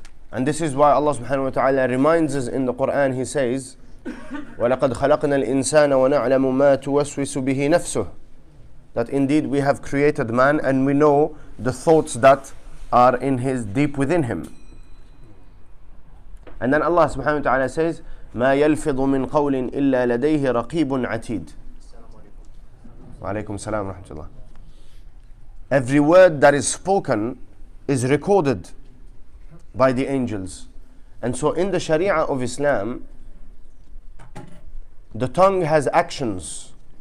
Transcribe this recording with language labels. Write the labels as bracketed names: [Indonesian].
[English] And this is why Allah subhanahu wa ta'ala reminds us in the Quran, He says, [Arabic] وَلَقَدْ خَلَقْنَا الْإِنسَانَ وَنَعْلَمُ مَا تُوَسْوِسُ بِهِ نَفْسُهُ. [English] That indeed we have created man and we know the thoughts that are in his deep within him. And then Allah subhanahu wa ta'ala says, [Arabic] مَا يَلْفِظُ مِنْ قَوْلٍ إِلَّا لَدَيْهِ رَقِيبٌ عَتِيدٌ. وَعَلَيْكُمْ السَّلَامُ وَرَحْمَةُ اللَّهِ. [English] Every word that is spoken is recorded by the angels. And so in the Sharia of Islam, the tongue has actions.